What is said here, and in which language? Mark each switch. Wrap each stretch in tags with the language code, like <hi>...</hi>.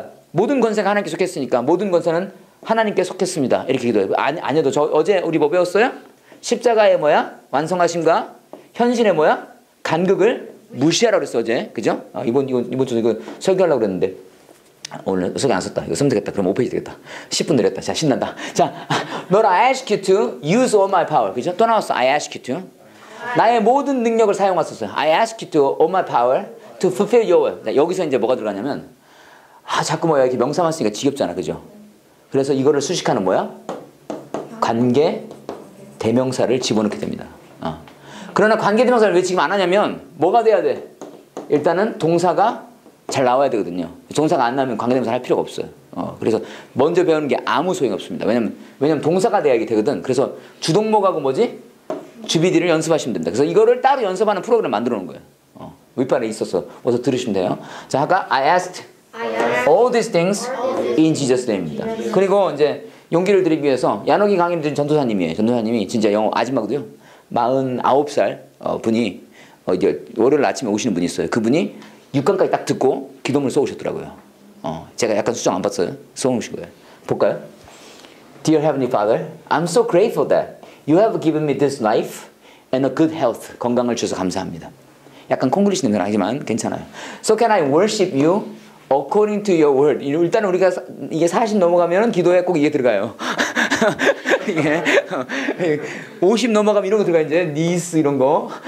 <ko>모든 권세가 하나님께 속했으니까 모든 권세는 하나님께 속했습니다. 이렇게 기도해요. 아니어도 어제 우리 뭐 배웠어요? 십자가의 뭐야? 완성하심과 현신의 뭐야? 간극을 무시하라고 했어 어제. 그죠? 이번 주도 이거 설교하려고 그랬는데 오늘 설교 안 썼다. 이거 쓰면 되겠다. 그럼 5페이지 되겠다. 10분 내렸다. 자, 신난다.</ko> <en>자, Lord, I ask you to use all my power.</en> <ko>그죠? 또 나왔어.</ko> <en>I ask you to.</en> <ko>나의 모든 능력을 사용하소서.</ko> <en>I ask you to all my power to fulfill your will.</en> <ko>자, 여기서 이제 뭐가 들어가냐면 자꾸 뭐야? 이렇게 명사만 쓰니까 지겹잖아. 그죠? 그래서 이거를 수식하는 뭐야? 관계 대명사를 집어넣게 됩니다. 그러나 관계대명사를 왜 지금 안 하냐면 뭐가 돼야 돼? 일단은 동사가 잘 나와야 되거든요. 동사가 안 나오면 관계대명사를 할 필요가 없어요. 그래서 먼저 배우는 게 아무 소용없습니다. 왜냐면 동사가 돼야 되거든. 그래서 주동목하고 뭐지? 주비디를 연습하시면 됩니다. 그래서 이거를 따로 연습하는 프로그램 만들어 놓은 거예요. 윗발에 있어서 어서 들으시면 돼요. 자, 아까</ko> <en>I asked all these things in Jesus' name입니다.</en> <ko>그리고 이제 용기를 드리기 위해서 야노기 강의를 드린 전도사님이에요. 전도사님이 진짜 영어 아줌마거든요. 49살 분이 이제 월요일 아침에 오시는 분이 있어요. 그분이 6강까지 딱 듣고 기도문을 써오셨더라고요. 제가 약간 수정 안 봤어요. 써오신 거예요. 볼까요?</ko> <en>Dear Heavenly Father, I'm so grateful that you have given me this life and a good health.</en> <ko>건강을 주셔서 감사합니다. 약간 콩글리시 냄새 나지만 괜찮아요.</ko> <en>So can I worship you? According to your word.</en> <ko>일단 우리가 이게 40 넘어가면 기도에 꼭 이게 들어가요. 이게 50 넘어가면 이런 거 들어가 이제 니스 이런 거.</ko>